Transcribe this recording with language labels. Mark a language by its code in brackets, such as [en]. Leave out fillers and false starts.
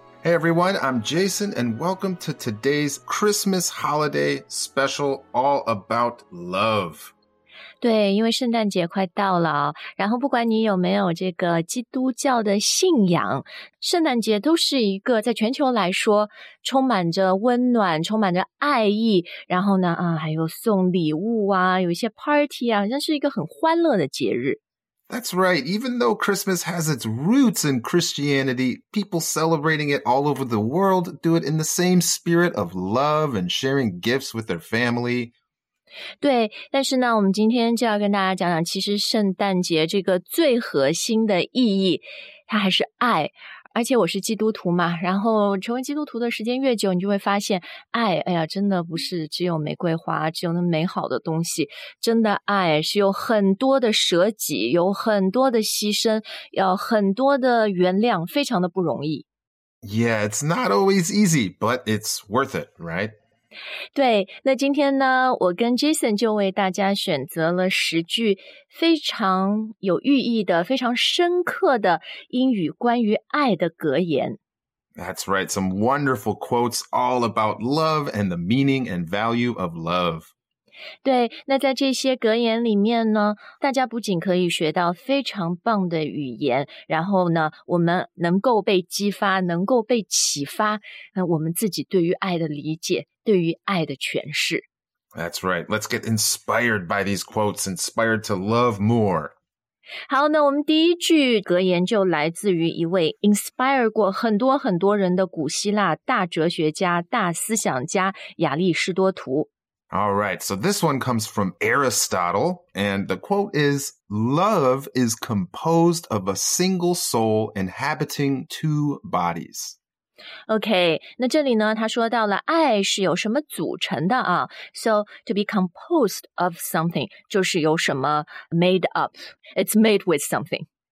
[en] Hey everyone, I'm Jason, and welcome to today's Christmas holiday special all about love. [zh] 对，因为圣诞节快到了，然后不管你有没有这个基督教的信仰，圣诞节都是一个在全球来说充满着温暖、充满着爱意，然后呢，还有送礼物啊，有一些 party 啊，好像是一个很欢乐的节日。 [en] That's right. Even though Christmas has its roots in Christianity, people celebrating it all over the world do it in the same spirit of love and sharing gifts with their family. [zh] 对，但是呢，我们今天就要跟大家讲讲，其实圣诞节这个最核心的意义，它还是爱。而且我是基督徒嘛，然后成为基督徒的时间越久，你就会发现爱，哎呀，真的不是只有玫瑰花，只有那美好的东西。真的爱是有很多的舍己，有很多的牺牲，要很多的原谅，非常的不容易。 [en] Yeah, it's not always easy, but it's worth it, right? [zh] 对，那今天呢，我跟 Jason 就为大家选择了十句非常有寓意的、非常深刻的英语关于爱的格言。 [en] That's right, some wonderful quotes all about love and the meaning and value of love. 对，那在这些格言里面呢，大家不仅可以学到非常棒的语言，然后呢，我们能够被激发，能够被启发，我们自己对于爱的理解。对于爱的诠释。 That's right. Let's get inspired by these quotes, inspired to love more. [zh] 好，那我们第一句格言就来自于一位 inspire 过很多很多人的古希腊大哲学家、大思想家亚里士多图。 [en] All right, so this one comes from Aristotle, and the quote is, Love is composed of a single soul inhabiting two bodies. [zh] OK, 那这里呢他说到了爱是由什么组成的啊 [en] So, to be composed of something, [zh] 就是由什么 [en] made up, it's made with something.